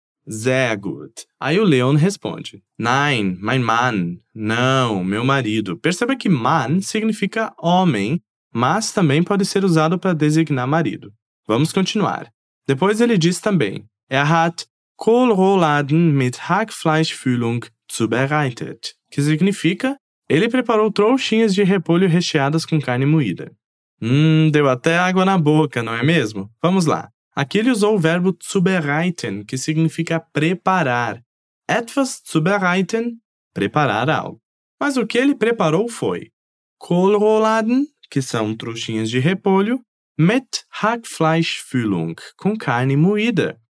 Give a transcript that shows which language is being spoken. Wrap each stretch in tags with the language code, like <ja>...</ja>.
<de>Sehr gut.</de> <pt>Aí o Leon responde.</pt> <de>Nein, mein Mann.</de> <pt>Não, meu marido. Perceba que Mann significa homem, mas também pode ser usado para designar marido. Vamos continuar. Depois ele diz também.</pt> <de>Er hat Kohlrouladen mit Hackfleischfüllung zubereitet.</de> <pt>Que significa? Ele preparou trouxinhas de repolho recheadas com carne moída. Deu até água na boca, não é mesmo? Vamos lá. Aqui ele usou o verbo zubereiten, que significa preparar.</pt> <de>Etwas zubereiten,</de> <pt>preparar algo. Mas o que ele preparou foi Kohlrouladen, que são trouxinhas de repolho, mit Hackfleischfüllung, com carne moída.</pt>